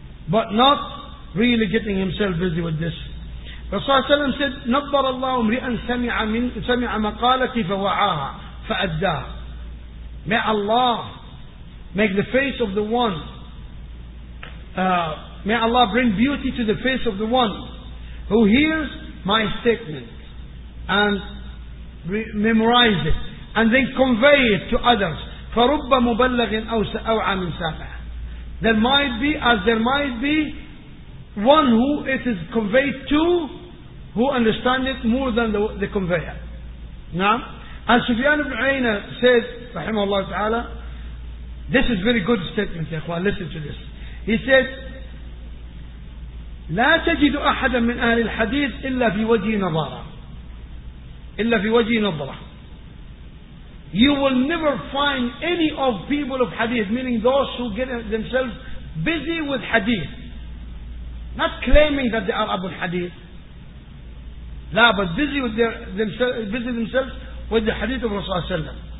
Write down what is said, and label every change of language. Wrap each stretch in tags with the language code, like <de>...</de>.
<en>But not really getting himself busy with this. Rasulullah said,</en> <ar>نَبَّرَ اللَّهُ مْرِئًا سَمِعَ مَقَالَتِي فَوَعَاهَا فَأَدَّاهَا.</ar> <en>May Allah make the face of the one. May Allah bring beauty to the face of the one who hears my statement and memorize it and then convey it to others.</en> <ar>فَرُبَّ مُبَلَّغٍ أَوْعَى مِنْ سَمِعَ.</ar> <en>There might be one who it is conveyed to who understand it more than the conveyor. Now, as Sufyan ibn Uyayna said, rahimahullah ta'ala, this is very good statement, ikhwan, listen to this.</en> <ar>He said, لا تجد أحدا من أهل الحديث إلا في وجه نظرة. إلا في وجه نظرة.</ar> <en>You will never find any of people of hadith, meaning those who get themselves busy with hadith, not claiming that they are Abu al-Hadith, لا بس busy with busy themselves with the hadith of Rasulullah sallam.</en>